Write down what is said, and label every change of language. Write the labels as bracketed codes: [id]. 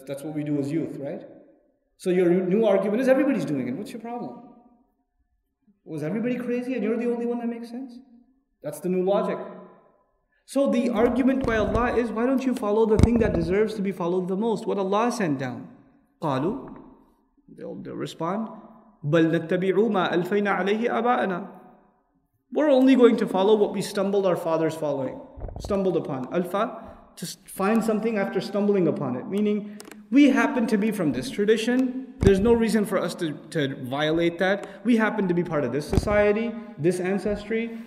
[en] That's what we do as youth, right? So your new argument is everybody's doing it. What's your problem? Was everybody crazy and you're the only one that makes sense? That's the new logic. So the argument by Allah is, why don't you follow the thing that deserves to be followed the most? What Allah sent down? [ar] قالوا, [en] they'll respond, [ar] بَلْ نَتَّبِعُوا مَا أَلْفَيْنَا عَلَيْهِ أَبَاءَنَا. [en] We're only going to follow what we stumbled our fathers following. Stumbled upon. Alpha, to find something after stumbling upon it. Meaning, we happen to be from this tradition. There's no reason for us to violate that. We happen to be part of this society, this ancestry.